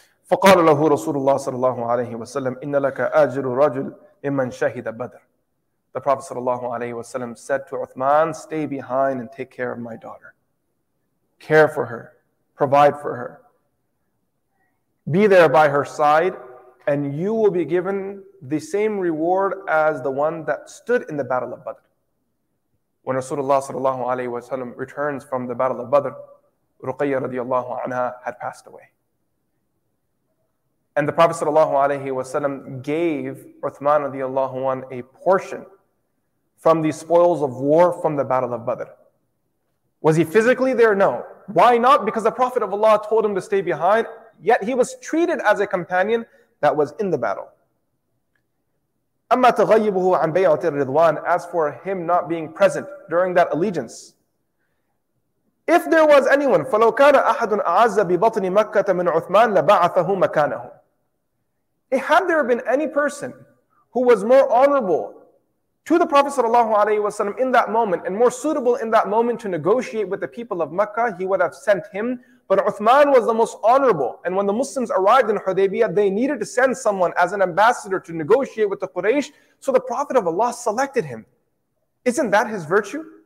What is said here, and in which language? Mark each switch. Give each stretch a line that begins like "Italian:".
Arabic: فَقَالَ لَهُ رَسُولُ sallallahu alayhi wa sallam, إِنَّ لَكَ أَجْرُ رَجُلْ إِمَّنْ شَهِدَ بَدْرِ.
English: The Prophet sallallahu alayhi wa sallam said to Uthman, stay behind and take care of my daughter. Care for her, provide for her. Be there by her side, and you will be given the same reward as the one that stood in the Battle of Badr. When Rasulullah sallallahu alayhi wa sallam returns from the Battle of Badr, Ruqayya radiallahu anha had passed away. And the Prophet sallallahu alayhi wa sallam gave Uthman radiallahu anhu a portion from the spoils of war from the Battle of Badr. Was he physically there? No. Why not? Because the Prophet of Allah told him to stay behind. Yet he was treated as a companion that was in the battle.
Arabic: أَمَّا تَغَيِّبُهُ عَنْ بَيْعَةِ الرِّضْوَانِ.
English: As for him not being present during that allegiance. If there was anyone,
Arabic: فَلَوْ كَانَ أَحَدٌ أَعَزَّ بِبَطْنِ مَكَّةَ مِنْ عُثْمَانِ لَبَعَثَهُ مَكَانَهُ.
English: Had there been any person who was more honorable to the Prophet sallallahu alayhi wa sallam in that moment and more suitable in that moment to negotiate with the people of Makkah, he would have sent him. But Uthman was the most honorable. And when the Muslims arrived in Hudaybiyah, they needed to send someone as an ambassador to negotiate with the Quraysh. So the Prophet of Allah selected him. Isn't that his virtue?